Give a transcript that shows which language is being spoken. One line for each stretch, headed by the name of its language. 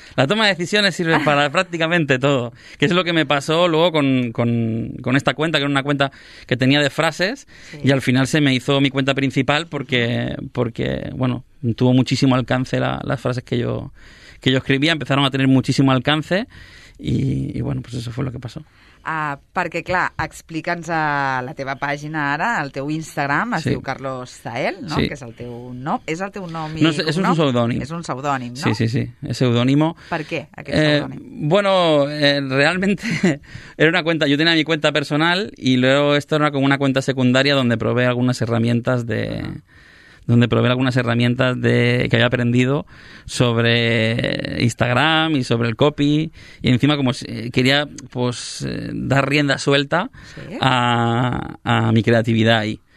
Spanish: La toma de decisiones sirve para prácticamente todo. Que es lo que me pasó luego con esta cuenta, que era una cuenta que tenía de frases, sí, y al final se me hizo mi cuenta principal porque bueno, tuvo muchísimo alcance las frases que yo escribía, empezaron a tener muchísimo alcance y bueno, pues eso fue lo que pasó.
Catalan: Perquè, clar, explica'ns a la teva pàgina ara, el teu Instagram, es sí, diu Carlos Zahel, no? Sí. Que és el teu nom. És el teu nom i... No, és un pseudònim. És un pseudònim, no? Sí, sí, sí. És pseudònimo. Per què, aquest pseudònim?
Spanish: Bueno, realmente era una cuenta... Yo tenía mi cuenta personal y luego esto era como una cuenta secundaria donde probé algunas herramientas de... donde probé algunas herramientas de que había aprendido sobre Instagram y sobre el copy, y encima como quería pues dar rienda suelta, ¿sí?, a mi creatividad ahí.